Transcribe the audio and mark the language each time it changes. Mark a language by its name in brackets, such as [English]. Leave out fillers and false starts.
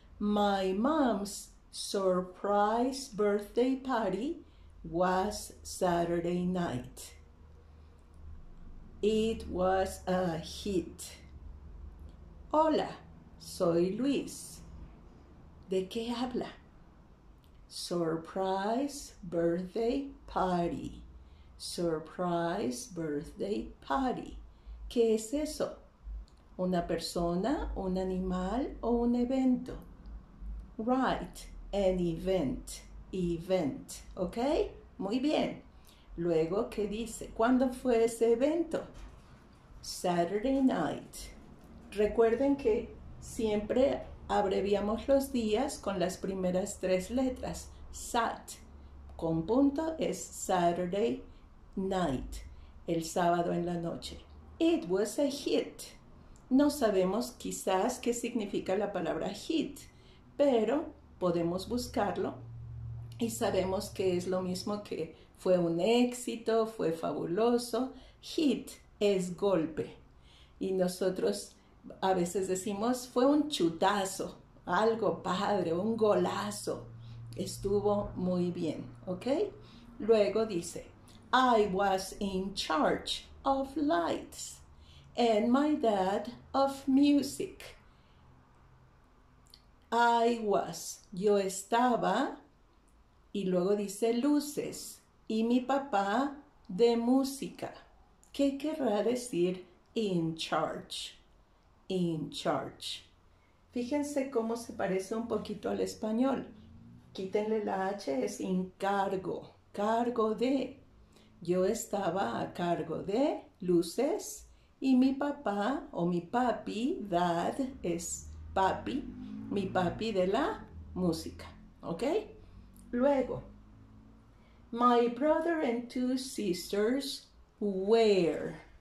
[English] My mom's surprise birthday party was Saturday night. It was a hit. [Spanish] Hola, soy Luis. ¿De qué habla? [English] Surprise birthday party. Surprise birthday party. [Spanish] ¿Qué es eso? ¿Una persona, un animal o un evento? [English] Write an event. Event. ¿Ok? [Spanish] Muy bien. Luego, ¿qué dice? ¿Cuándo fue ese evento? [English] Saturday night. [Spanish] Recuerden que siempre abreviamos los días con las primeras tres letras. Sat. Con punto es Saturday night. El sábado en la noche. [English] It was a hit. [Spanish] No sabemos quizás qué significa la palabra hit, pero podemos buscarlo y sabemos que es lo mismo que fue un éxito, fue fabuloso. Hit es golpe. Y nosotros a veces decimos fue un chutazo, algo padre, un golazo. Estuvo muy bien, ¿ok? Luego dice, [English] I was in charge of lights. And my dad of music. I was. [Spanish] Yo estaba. Y luego dice luces. Y mi papá de música. ¿Qué querrá decir in charge? In charge. Fíjense cómo se parece un poquito al español. Quítenle la H, es in cargo. Cargo de. Yo estaba a cargo de luces. Y mi papá, o mi papi, dad, es papi, mi papi de la música, ¿ok? [English] Luego, my brother and two sisters were.